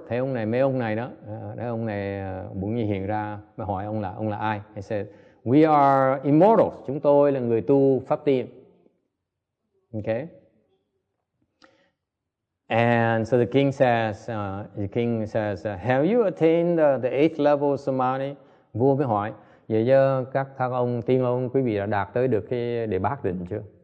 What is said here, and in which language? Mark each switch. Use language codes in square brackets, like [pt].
[vi] Thấy ông này, mấy ông này đó, đấy ông này bỗng nhiên hiện ra mà hỏi ông là ai. [en] He said, "We are immortals." [vi] Chúng tôi là người tu pháp tiên. [en] Okay. And so the king says, "Have you attained the eighth level of samadhi?" [vi] Vua mới hỏi, "Vậy giờ các thân ông, tiên ông, quý vị đã đạt tới được cái đệ bát định chưa?"